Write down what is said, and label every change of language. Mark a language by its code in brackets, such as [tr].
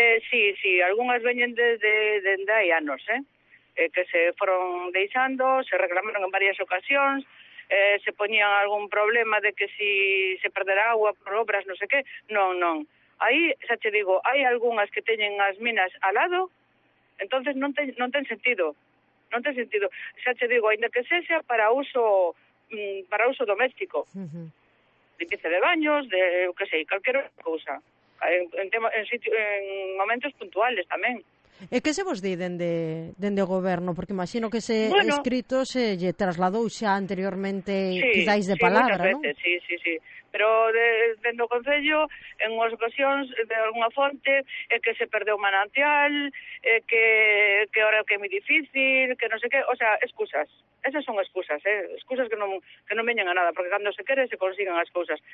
[gl] Sí, algunhas venen dende hai anos, que se foron deixando, se reclamaron en varias ocasións, [es] se ponía algún problema de que si se perderá agua por obras, no sé qué. [gl] Non, non. Aí, xa te digo, hai algunhas que teñen as minas [es] al lado, entonces [gl] non ten sentido. Non ten sentido. Xa te digo, ainda que sexa para uso doméstico. [es] Limpieza de baños, [gl] de, o que sei, calquera cousa. En momentos puntuales tamén. E que se vos di dende o goberno? Porque imagino que ese bueno, escrito se lle trasladou xa anteriormente, quizáis de palabra, non? Sí. Pero dende o Concello, en unhas ocasións, de alguna fonte, que se perdeu manantial, que ahora que é moi difícil, que non sei que... O sea, excusas. Esas son excusas, excusas que non veñen a nada, porque cando se quere se consiguen as cousas.